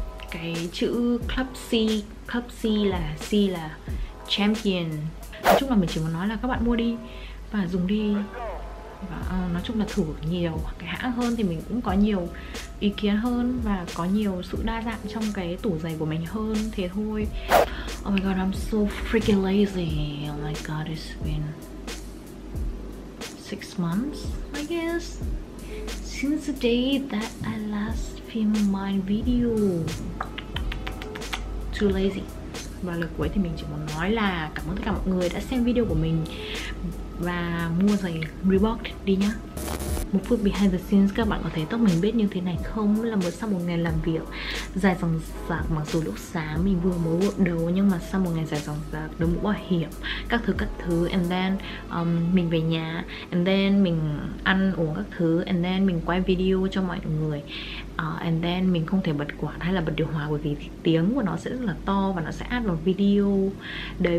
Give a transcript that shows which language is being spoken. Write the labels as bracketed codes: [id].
[vi] Cái chữ Club C là C là champion. Nói chung là mình chỉ muốn nói là các bạn mua đi và dùng đi. Và nói chung là thử nhiều cái hãng hơn thì mình cũng có nhiều ý kiến hơn và có nhiều sự đa dạng trong cái tủ giày của mình hơn, thế thôi. [en] Oh my god, I'm so freaking lazy. Oh my god, it's been 6 months, I guess, since the day that I last filmed my video. Too lazy. [vi] Và lời cuối thì mình chỉ muốn nói là cảm ơn tất cả mọi người đã xem video của mình và mua giày Reebok đi nhá. Một phút behind the scenes, các bạn có thấy tóc mình bết như thế này không? Là mới sau một ngày làm việc dài dòng dạc, mặc dù lúc sáng mình vừa mới gội đầu, nhưng mà sau một ngày dài dòng dạc, đội mũ bảo hiểm các thứ, and then mình về nhà, and then mình ăn uống các thứ, and then mình quay video cho mọi người, and then mình không thể bật quạt hay là bật điều hòa bởi vì tiếng của nó sẽ rất là to và nó sẽ add vào video đấy.